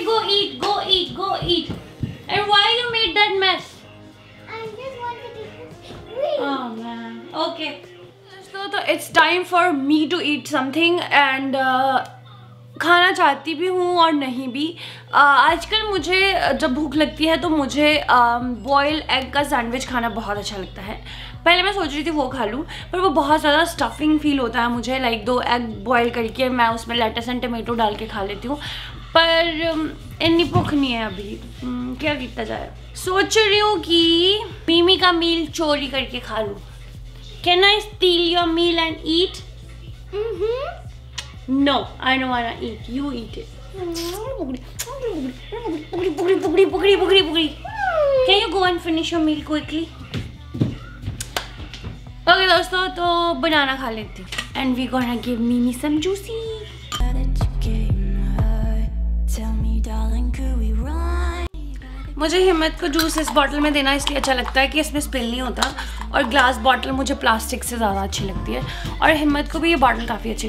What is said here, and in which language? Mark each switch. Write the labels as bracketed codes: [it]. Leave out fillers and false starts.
[en] Go eat. And why you made that mess? I just wanted to eat. Oh man. Okay. So it's time for me to eat something and [hi] खाना चाहती भी हूँ और नहीं भी. आजकल मुझे जब भूख लगती है तो मुझे बॉयल एग का सैंडविच खाना बहुत अच्छा लगता है. पहले मैं सोच रही थी वो खा लूँ पर वो बहुत ज़्यादा स्टफिंग फील होता है मुझे. लाइक दो एग बॉयल करके मैं उसमें लेटस एंड टमेटो डाल के खा लेती हूँ पर इतनी भूख नहीं है अभी. क्या किया जाए. सोच रही हूँ कि मीमी का मील चोरी करके खा लूँ. [en] Can I steal your meal and eat? No, I don't wanna eat. You eat it. Can you go and finish your meal quickly? [hi] Okay, दोस्तों तो बनाना खा लेती हूँ. [en] And we gonna give Mimi some juicy. [hi] मुझे हिम्मत को juice इस bottle में देना इसलिए अच्छा लगता है कि इसमें स्पिल नहीं होता और ग्लास बॉटल मुझे प्लास्टिक से ज़्यादा अच्छी लगती है और हिम्मत को भी ये बॉटल काफ़ी अच्छी